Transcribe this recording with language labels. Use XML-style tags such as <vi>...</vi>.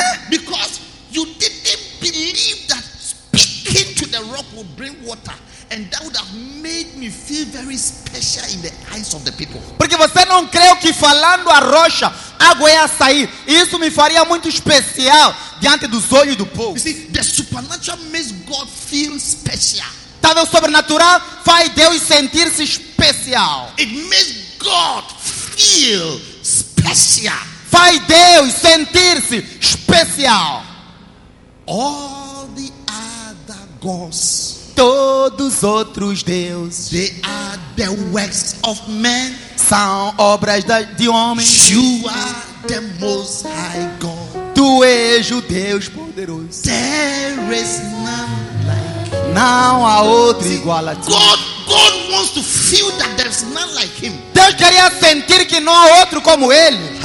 <en>because you didn't believe that speaking to the rock would bring water. And that would have made me feel very special in the eyes of the people.</en> <pt>Porque você não creu que falando a rocha, água ia sair. Isso me faria muito especial diante dos olhos do povo.</pt> <en>You see, the supernatural makes God feel special.</en> <pt>Tá vendo? O sobrenatural faz Deus sentir-se especial.</pt> <en>It makes God feel special.</en> <pt>Faz Deus sentir-se especial.</pt> <en>All the other gods,</en> <pt>todos outros deuses,</pt> <en>they are the works of men,</en> <pt>são obras de homens.</pt> <en>You are the most high God,</en> <pt>tu és o Deus poderoso.</pt> <en>There is none like him,</en> <pt>não há outro igual a ti.</pt> <en>God wants to feel that there's none like him.</en> <pt>Deus queria sentir que não há outro como ele.</pt>